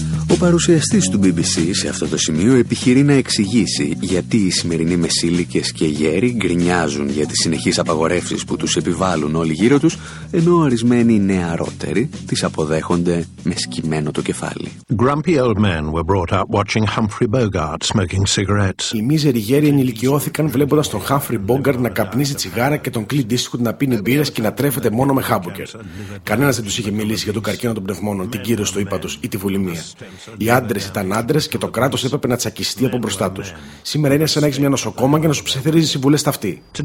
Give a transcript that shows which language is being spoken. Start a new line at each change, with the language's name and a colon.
Greek: Ο παρουσιαστής του BBC σε αυτό το σημείο επιχειρεί να εξηγήσει γιατί οι σημερινοί μεσήλικες και γέροι γκρινιάζουν για τις συνεχείς απαγορεύσεις που τους επιβάλλουν όλοι γύρω τους, ενώ ορισμένοι νεαρότεροι τις αποδέχονται με σκυμμένο το κεφάλι.
English: Grumpy old men were brought up watching Humphrey Bogart smoking cigarettes.
Greek: Οι μίζεροι γέροι ενηλικιώθηκαν βλέποντας τον Humphrey Bogart να καπνίζει τσιγάρα και τον Clint Eastwood να πίνει μπύρες και να τρέφεται μόνο με χάμπουκερ. Κανένας δεν τους είχε μιλήσει για τον καρκίνο των πνευμόνων, την κύρωση του ύπατος ή τη βουλιμία. Οι άντρες ήταν άντρες και το κράτος έπρεπε να τσακιστεί από μπροστά τους. Σήμερα είναι σαν να έχεις μια νοσοκόμα και να σου ψιθυρίζει συμβουλές τα αυτή.